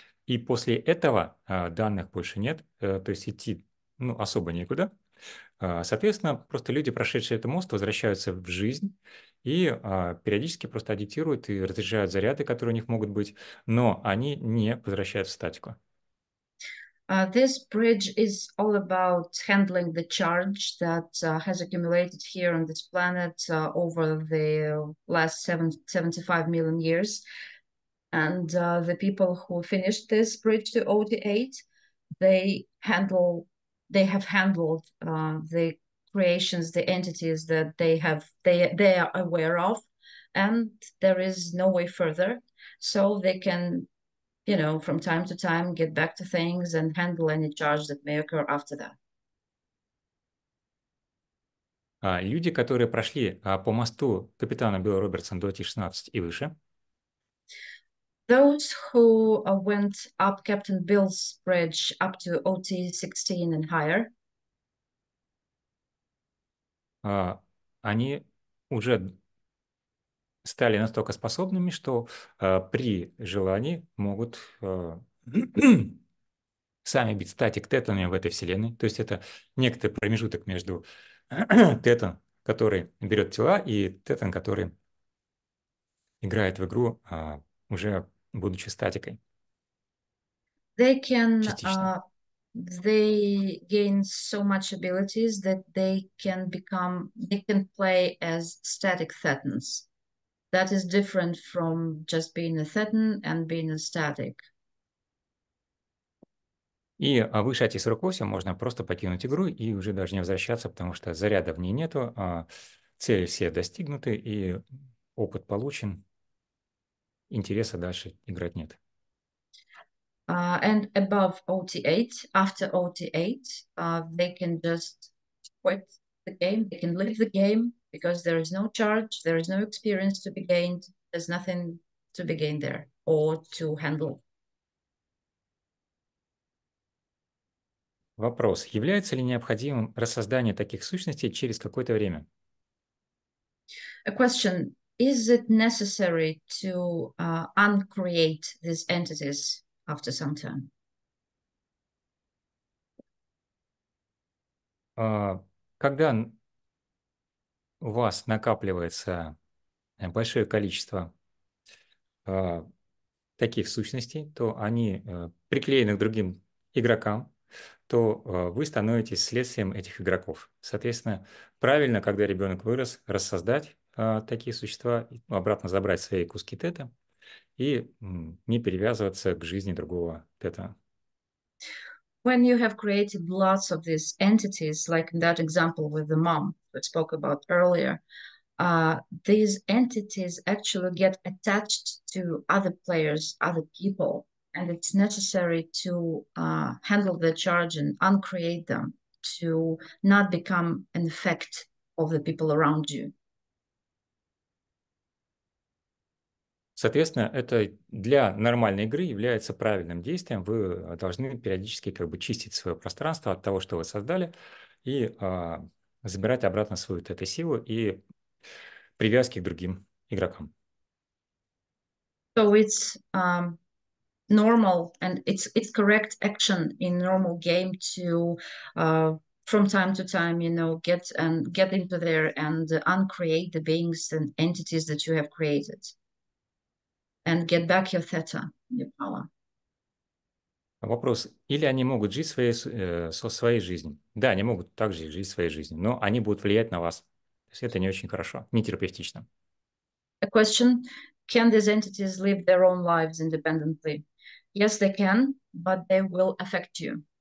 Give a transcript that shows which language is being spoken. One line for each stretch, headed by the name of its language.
Russian: И после этого данных больше нет, то есть идти ну, особо некуда. Соответственно, просто люди, прошедшие этот мост, возвращаются в жизнь и периодически просто адаптируют и разряжают заряды, которые у них могут быть, но они не возвращаются в статику.
English: This bridge is all about handling the charge that has accumulated here on this planet over the last 75 million years. And the people who finished this bridge to OT8, they have handled the creations, the entities that they are aware of, and there is no way further, so they can you know, from time to time, get back to things and handle any charge that may occur after that.
Russian: Люди, которые прошли по мосту капитана Билла Робертсон до Т-16 и выше.
English: Those who went up Captain Bill's bridge up to OT-16 and higher.
Russian: Они уже стали настолько способными, что при желании могут сами быть статик тетанами в этой вселенной. То есть это некоторый промежуток между тетан, который берет тела, и тетан, который играет в игру, уже будучи статикой.
English: They can,
Russian: частично.
English: They gain so much abilities that they can become, they can play as static thetans. That is different from just being a thetan and being a static.
Russian: И выше АТ-48 можно просто покинуть игру и уже даже не возвращаться, потому что заряда в ней нету, а цели все достигнуты и опыт получен, интереса дальше играть нет.
English: And above OT-8, after OT-8, they can just quit the game, they can leave the game, because there is no charge, there is no experience to be gained, there's nothing to be gained there or to handle.
Russian: Вопрос. Является ли необходимым рассоздание таких сущностей через какое-то время?
English: A question. Is it necessary to uncreate these entities after some time?
Russian: Когда у вас накапливается большое количество таких сущностей, то они приклеены к другим игрокам, то вы становитесь следствием этих игроков. Соответственно, правильно, когда ребенок вырос, рассоздать такие существа, обратно забрать свои куски тета и не перевязываться к жизни другого тета.
English: When you have created lots of these entities, like in that example with the mom we spoke about earlier, these entities actually get attached to other players, other people. And it's necessary to handle the charge and uncreate them to not become an effect of the people around you.
Russian: Соответственно, это для нормальной игры является правильным действием. Вы должны периодически как бы чистить свое пространство от того, что вы создали, и забирать обратно свою эту силу и привязки к другим игрокам.
English: So it's normal and it's correct action in normal game to from time to time, you know, get into there and uncreate the beings and entities that you have created and get back your theta, your power.
Russian: Вопрос, или они могут жить своей, со своей жизнью? Да, они могут также жить своей жизнью, но они будут влиять на вас. То есть это не очень хорошо, не терапевтично.
English: A question, can these entities live their own lives independently? Yes, they can, but they will affect you.